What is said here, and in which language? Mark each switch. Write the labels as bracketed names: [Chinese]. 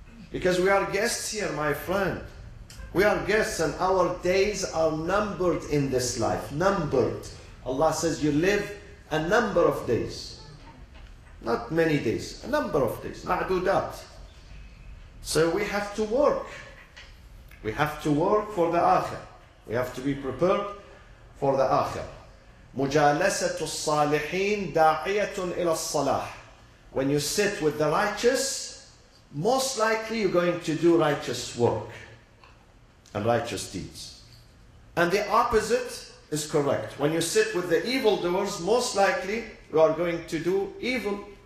[English] Because we are guests here, my friend. We are guests and our days are numbered in this life. Numbered. Allah says you live a number of days. Not many days. A number of days. مَعْدُودَات. So we have to work. We have to work for the akhir. We have to be prepared for the akhir. [Arabic] مجالسة الصالحين داعية إلى الصلاح. [English] When you sit with the righteous, most likely you're going to do righteous work and righteous deeds. And the opposite is correct. When you sit with the evildoers, most likely you are going to do evil.